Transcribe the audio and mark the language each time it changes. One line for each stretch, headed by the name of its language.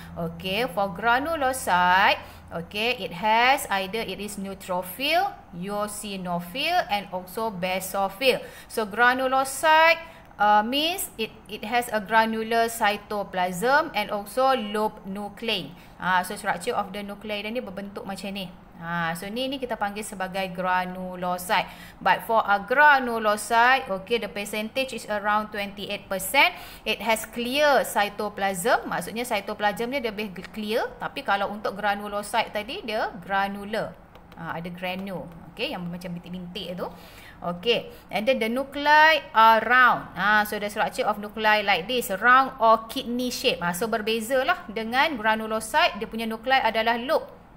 English: Okay, for granulocyte, okay, it has either it is neutrophil, eosinophil and also basophil. So granulocyte means it has a granular cytoplasm and also lobe nuclei.
Malay: So structure of the nuclei dia ni berbentuk macam ni. So ni kita panggil sebagai granulocyte.
English: But for agranulocyte, okay, the percentage is around 28%. It has clear cytoplasm.
Malay: Maksudnya cytoplasm dia lebih clear. Tapi kalau untuk granulocyte tadi, dia granular. Ada granule, okay, yang macam bintik-bintik tu.
English: Okay, and then the nuclei are round. So the structure of nuclei like this, round or kidney shape.
Malay: So berbezalah dengan granulocyte, dia punya nuclei adalah lobe.